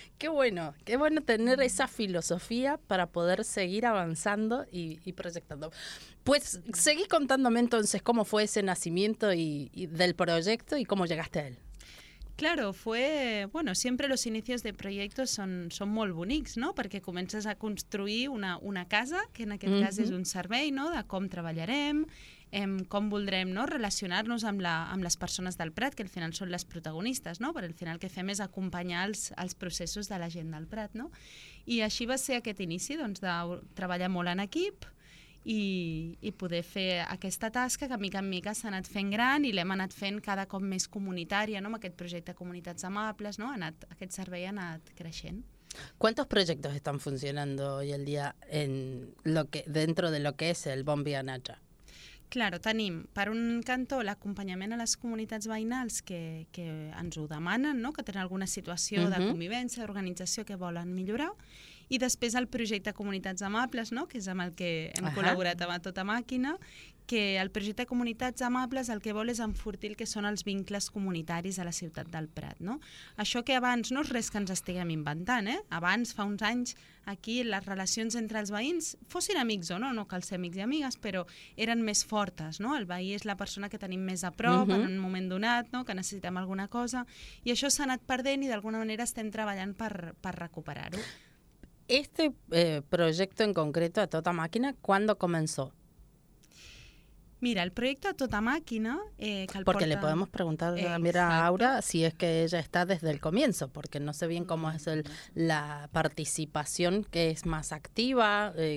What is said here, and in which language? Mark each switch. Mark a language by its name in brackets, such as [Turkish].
[Spanish] Qué bueno tener esa filosofía para poder seguir avanzando y proyectando. Pues seguí contándome entonces cómo fue ese nacimiento y del proyecto y cómo llegaste a él. Claro, fue, bueno, siempre los inicios de proyectos son [Catalan] molt bonics, [Spanish] ¿no? [Catalan] Perquè comences a construir una casa, que en aquest cas és un servei, ¿no? De com treballarem, com voldrem, ¿no? Relacionar-nos amb les persones del Prat, que al final són les protagonistes, ¿no? Però al final el que fem és acompanyar els processos de la gent del Prat, ¿no? I així va ser aquest inici, doncs, de treballar molt en equip, i poder fer aquesta tasca que, mica en mica, s'ha anat fent gran i l'hem anat fent cada cop més comunitària, no?, amb aquest projecte Comunitats Amables, no?, aquest servei ha anat creixent. [Spanish] ¿Cuántos proyectos están funcionando hoy en día en lo que, dentro de lo que es el Bon Vianatge? [Catalan] Claro, tenim, per un cantó, l'acompanyament a les comunitats veïnals que ens ho demanen, no?, que tenen alguna situació de convivència, d'organització que volen millorar, i després el projecte Comunitats Amables, no?, que és amb el que hem col·laborat amb tota màquina, que el projecte Comunitats Amables el que vol és enfortir el que són els vincles comunitaris a la ciutat del Prat, no? Això que abans no és res que ens estiguem inventant, eh? Abans, fa uns anys, aquí les relacions entre els veïns, fossin amics o no, no cal ser amics i amigues, però eren més fortes, no? El veí és la persona que tenim més a prop, en un moment donat, no?, que necessitem alguna cosa, i això s'ha anat perdent i d'alguna manera estem treballant per recuperar-ho. [Spanish] Este proyecto en concreto, A Tota Màquina, ¿cuándo comenzó? Mira, el proyecto A Tota Màquina... porque le podemos preguntar también a Aura si es que ella está desde el comienzo, porque no sé bien cómo es la participación, que es más activa.